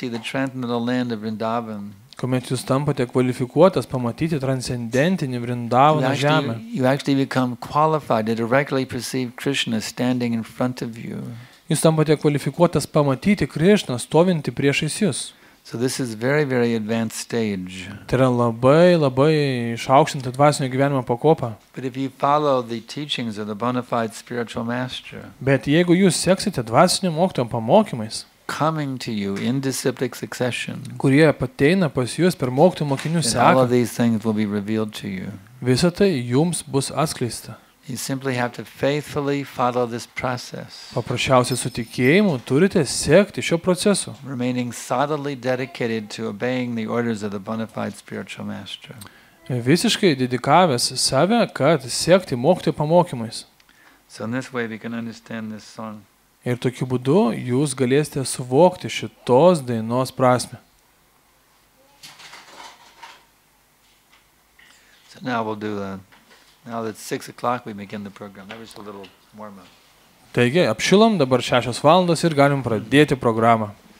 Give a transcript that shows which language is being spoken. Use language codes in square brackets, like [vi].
[lt] Kuomet jūs tampate kvalifikuotas pamatyti transcendentinį Vrindavano žemę. [en] You actually become qualified to directly perceive Krishna standing in front of you. [lt] Jūs tampate kvalifikuotas pamatyti Krishną stovinti priešais jus. [en] So this is very, very advanced stage. [lt] Tai yra labai, labai išaukštinta dvasinio gyvenimo pakopa. [en] But if you follow the teachings of the bona fide spiritual master, [lt] bet jeigu jūs seksite dvasinio mokytojo pamokymais, [en] coming to you in disciplic succession, [lt] kurie pateina pas jūs per mokytojų mokinių seką, [en] all of these things will be revealed to you. [lt] Visa tai jums bus atskleista. [en] You simply have to faithfully follow this process. [lt] Paprasčiausiai su tikėjimu turite sekti šio proceso. [en] Remaining solidly dedicated to obeying the orders of the bona fide spiritual master. [lt] Visiškai dedikavęs save, kad sekti mokytojo pamokymais. [en] So in this way we can understand this song. [lt] Ir tokiu būdu jūs galėsite suvokti šitos dainos prasmę. [en] So now we'll do that. Now that's 6 o'clock we begin the program. That was a little warm up. [lt] Taigi, apšilom dabar 6 valandos ir galim pradėti programą.